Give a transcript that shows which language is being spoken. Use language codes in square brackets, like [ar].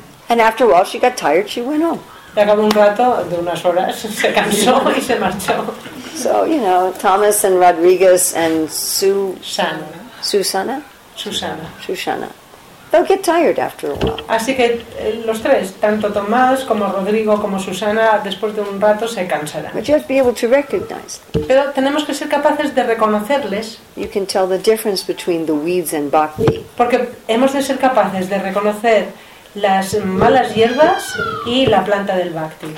[en] And after a while she got tired, she went home. [es] Y acabó un rato de unas horas, se cansó y se marchó. [en] So, you know, Thomas and Rodriguez and Susana. Susana? Susana. Susana. They'll get tired after a while. [es] Así que los tres, tanto Tomás como Rodrigo como Susana, después de un rato se cansarán. [en] But you have to be able to recognize them. [es] Pero tenemos que ser capaces de reconocerles. [en] You can tell the difference between the weeds and bhakti. [es] Porque hemos de ser capaces de reconocer las malas hierbas y la planta del bhakti.